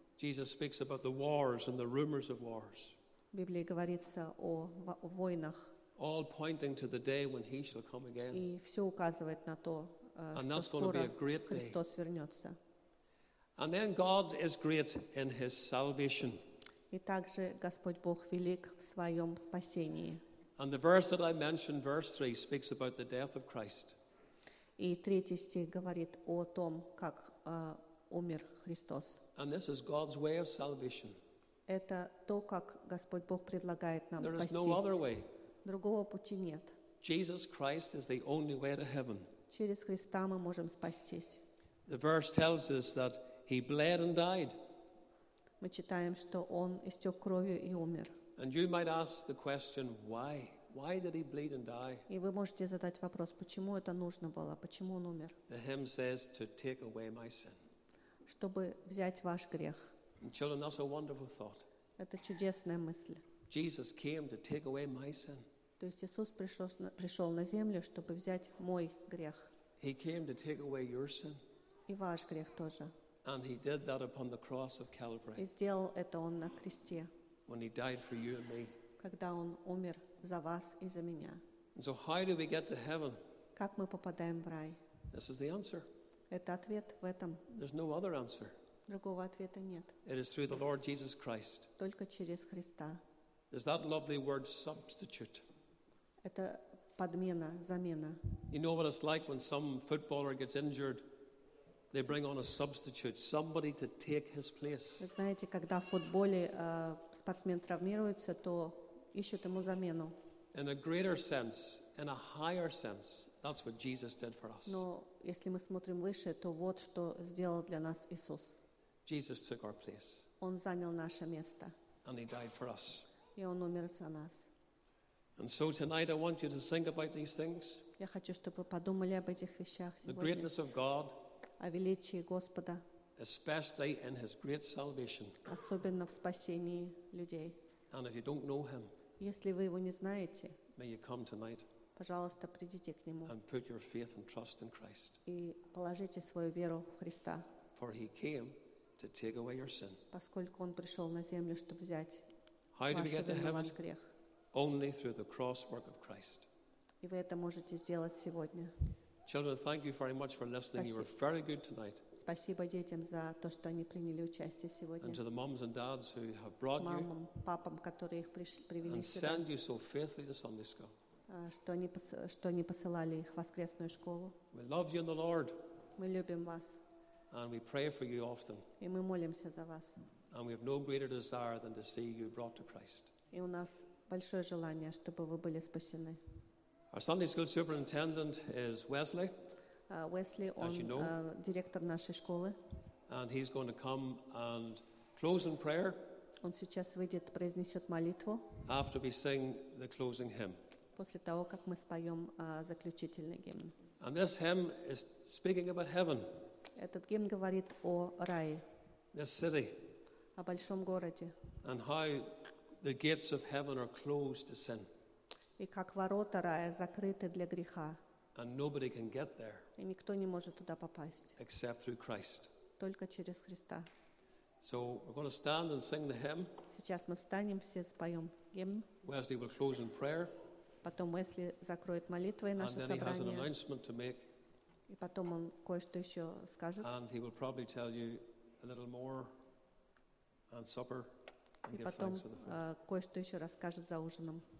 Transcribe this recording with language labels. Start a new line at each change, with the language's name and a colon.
English: Jesus speaks about the wars and the rumors of wars.
Russian: В Библии говорится о войнах.
English: All pointing to the day when he shall come again.
Russian: И все указывает на то,
English: and that's going to be a great
Russian: Христос
English: day.
Russian: Вернется.
English: And then God is great in his salvation.
Russian: И также Господь Бог велик в своем спасении.
English: And the verse that I mentioned, verse 3, speaks about the death of Christ.
Russian: И третий стих говорит о том, как умер Христос.
English: And this is God's way of salvation.
Russian: Это то, как Господь Бог предлагает нам
English: there
Russian: спастись.
English: Is no other way.
Russian: Другого пути нет.
English: Jesus Christ is the only way to heaven.
Russian: Через Христа мы можем спастись.
English: The verse tells us that he bled and died.
Russian: Мы читаем, что он истек кровью и умер.
English: And you might ask the question, why? Why did he bleed and die?
Russian: И вы можете задать вопрос, почему это нужно было, почему он умер?
English: The hymn says, to take away my sin.
Russian: Чтобы взять ваш грех.
English: And children, that's a wonderful thought.
Russian: Это чудесная мысль.
English: Jesus came to take away my sin.
Russian: То есть Иисус пришел на землю, чтобы взять мой грех.
English: He came to take away your sin.
Russian: И ваш грех тоже.
English: And he did that upon the cross of Calvary.
Russian: И сделал это он на кресте.
English: When he died for you and me.
Russian: Когда он умер за вас и за меня.
English: And so how do we get to heaven?
Russian: Как мы попадаем в рай?
English: This is the answer.
Russian: Это ответ в этом.
English: There's no other answer.
Russian: Другого ответа нет.
English: It is through the Lord Jesus Christ.
Russian: Только через Христа.
English: There's that lovely word substitute.
Russian: Это подмена, замена.
English: You know what it's like when some footballer gets injured, they bring on a substitute, somebody to take his place.
Russian: Вы знаете, когда в футболе спортсмен травмируется, то ищут ему замену.
English: In a greater sense, in a higher sense, that's what Jesus did for us.
Russian: Но если мы смотрим выше, то вот что сделал для нас Иисус.
English: Jesus took our place.
Russian: Он занял наше место.
English: And he died for us.
Russian: И он умер за нас.
English: And so tonight I want you to think about these things.
Russian: Я хочу, чтобы вы подумали об этих вещах сегодня.
English: The greatness of God.
Russian: О величии Господа.
English: Especially in his great salvation.
Russian: Особенно в спасении людей.
English: And if you don't know him.
Russian: Если вы его не знаете.
English: May you come tonight.
Russian: Пожалуйста, придите к нему.
English: And put your faith and trust in Christ.
Russian: И положите свою веру в Христа.
English: For he came to take away your sin.
Russian: Поскольку он пришел на землю, чтобы взять ваш грех.
English: How do we get to heaven? Only through the cross work of Christ.
Russian: И вы это можете сделать сегодня.
English: Children, thank you very much for listening. You were very good tonight.
Russian: Спасибо детям за то, что они приняли участие сегодня.
English: And to the moms and dads who have brought you.
Russian: Мамам, папам, которые их привели сюда.
English: And send you so faithfully to Sunday school.
Russian: Что они посылали их в воскресную школу.
English: We love you in the Lord.
Russian: Мы любим вас.
English: And we pray for you often.
Russian: И мы молимся за вас.
English: And we have no greater desire than to see you brought to Christ.
Russian: И у нас большое желание, чтобы вы были спасены.
English: Our Sunday school superintendent is Wesley.
Russian: Wesley,
English: as you know,
Russian: директор нашей школы.
English: And he's going to come and close in prayer.
Russian: Он сейчас выйдет, произнесет молитву.
English: After we sing the closing hymn.
Russian: После того, как мы споем заключительный гимн.
English: And this hymn is speaking about heaven.
Russian: Этот гимн говорит о рае.
English: This city.
Russian: О большом городе.
English: And how the gates of heaven are closed to sin.
Russian: И как ворота рая закрыты для греха.
English: And nobody can get there.
Russian: И никто не может туда попасть.
English: Except through Christ.
Russian: Только через Христа.
English: So we're going to stand and sing the hymn.
Russian: Сейчас мы встанем, все споем гимн.
English: Wesley will close in prayer.
Russian: Потом Уэсли закроет молитвой наше собрание.
English: And then he has an announcement to make.
Russian: И потом он кое-что еще скажет.
English: And he will probably tell you a little more on supper and give
Russian: потом,
English: thanks for the food.
Russian: И потом кое-что еще расскажет за ужином.